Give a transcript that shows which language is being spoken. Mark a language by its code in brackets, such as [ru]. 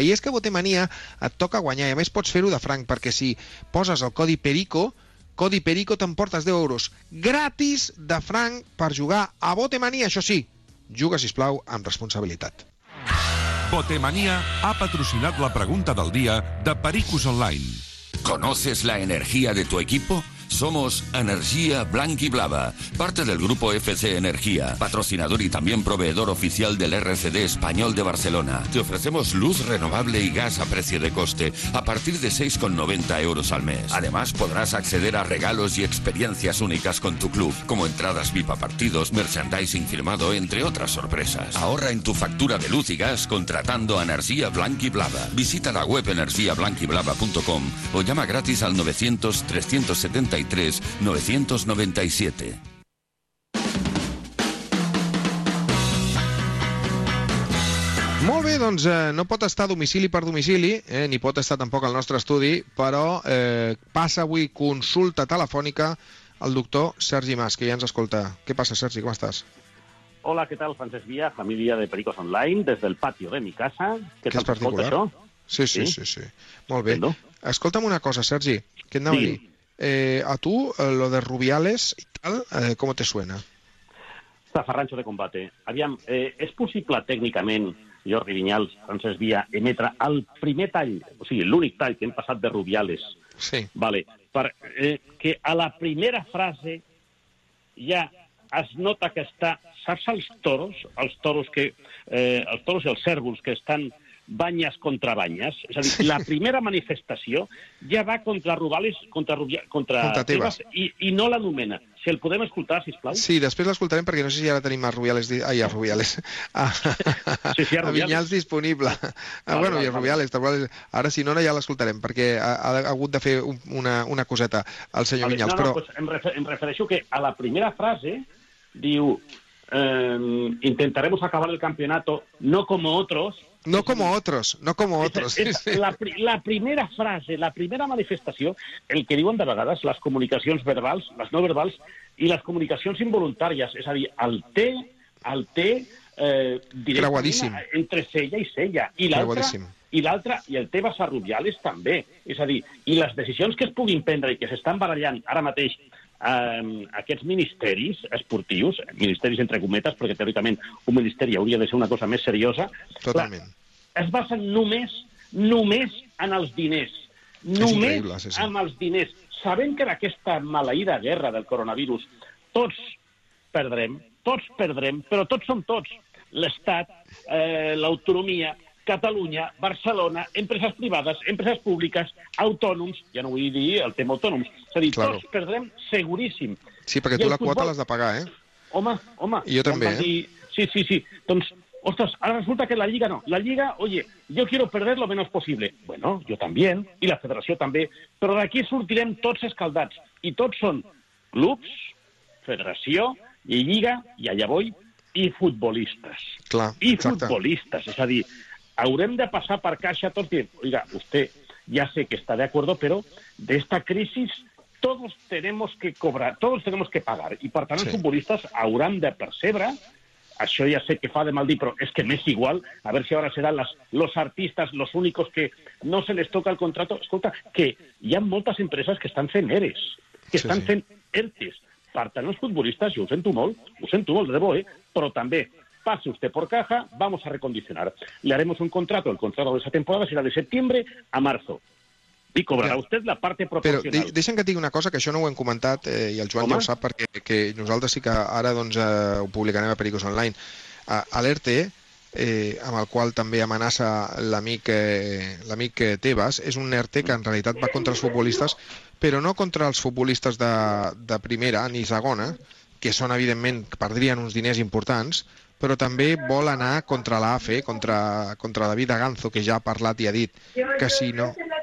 [ca] I és que Botemanía et toca guanyar, i a més pots fer-ho de franc, perquè si poses el codi PERICO, codi PERICO, t'emportes 10 euros gratis de franc per jugar a Botemanía. Això sí, juga, sisplau, amb responsabilitat. Botemanía ha patrocinat la pregunta del dia de Pericos Online. [es] ¿Conoces la energía de tu equipo? Somos Energía Blanquiblava, parte del grupo FC Energía, patrocinador y también proveedor oficial del RCD Español de Barcelona. Te ofrecemos luz renovable y gas a precio de coste a partir de 6,90 euros al mes. Además, podrás acceder a regalos y experiencias únicas con tu club, como entradas VIP a partidos, merchandising firmado, entre otras sorpresas. Ahorra en tu factura de luz y gas contratando a Energía Blanquiblava. Visita la web energiablanquiblava.com o llama gratis al 900-370 93-997. [ca] Molt bé, doncs no pot estar domicili per domicili, ni pot estar tampoc al nostre estudi, però passa avui consulta telefònica al doctor Sergi Mas, que ja ens escolta. Què passa, Sergi, com estàs? [es] Hola, ¿qué tal, Francesc Via, familia de Pericos Online, desde el patio de mi casa? [ca] Que és particular. Sí, sí, sí, sí. Molt bé. Escolta'm una cosa, Sergi, què et anava a dir? [es] A tu, lo de Rubiales i tal, ¿cómo te suena? Zafarrancho de combate. [ca] Aviam, és possible tècnicament, Jordi Vinyals, Francesc Via, emetre el primer tall, o sigui, l'únic tall que hem passat de Rubiales. Sí. Vale. Que a la primera frase ja es nota que està... Saps els toros i els cèrvols que estan banyes contra banyes? És a dir, la primera manifestació ja va contra Rubiales, contra Tebas, i no l'anomena. Si el podem escoltar, sisplau. Sí, després l'escoltarem, perquè no sé si ara tenim a Rubiales... Ai, a Rubiales. Sí, a Vinyals disponible. Rubiales. Ara, si no, ja l'escoltarem, perquè ha hagut de fer una coseta al senyor Vinyals. No, però... em refereixo que a la primera frase diu... [es] intentaremos acabar el campeonato no como otros. No como otros. [ca] La primera frase, la primera manifestació, el que diuen de vegades les comunicacions verbals, les no verbals, i les comunicacions involuntàries, és a dir, el té directament entre sella i sella. I l'altra, i el té a Rubiales també. És a dir, i les decisions que es puguin prendre i que s'estan barallant ara mateix aquests ministeris esportius, ministeris entre cometes, perquè teòricament un ministeri hauria de ser una cosa més seriosa. Totalment. Clar, es basen només en els diners. En els diners. Sabem que en aquesta maleïda guerra del coronavirus tots perdrem, però tots som tots. L'Estat, l'autonomia, Catalunya, Barcelona, empreses privades, empreses públiques, autònoms, ja no vull dir el tema autònoms, és a dir, [es] claro, [ca] tots perdrem seguríssim. Sí, perquè tu la quota l'has de pagar, eh? Home. I jo també, eh? Sí. Doncs, ostres, ara resulta que la Lliga no. [es] La Lliga, oye, yo quiero perder lo menos posible. [ca] Bueno, jo també, i la Federació també, però d'aquí sortirem tots escaldats. I tots són clubs, Federació, i Lliga, i allà voy, i futbolistes. Clar, i futbolistes, és a dir... Haurem de passar per caixa tots i dir, [es] oiga, usted ya sé que está de acuerdo, pero de esta crisis todos tenemos que cobrar, todos tenemos que pagar. [ca] Y para tant, sí, futbolistas hauran de percebre, això ja sé que fa de mal dir, però és que m'és igual, [es] a ver si ahora serán los artistas los únicos que no se les toca el contrato. [ca] Escolta, que hi ha moltes empreses que estan fent ERES, que sí, estan fent ERTES. Per tant, els futbolistes, jo ho sento molt, de bo, però també... [es] Pase usted por caja, vamos a recondicionar. Le haremos un contrato, el contrato de esa temporada será de septiembre a marzo. [ca] I cobrarà vostè la part proporcional. Però deixa'm que et digui una cosa, que això no ho hem comentat, i el Joan ja ho sap, perquè que nosaltres sí que ara doncs, ho publicarem a Pericos Online. A l'ERTE, amb el qual també amenaça l'amic Tebas, és un ERTE que en realitat va contra els futbolistes, però no contra els futbolistes de primera ni segona, que són, evidentment, que perdrien uns diners importants, però també vol anar contra l'AFE, contra David Aganzo, que ja ha parlat i ha dit que si no...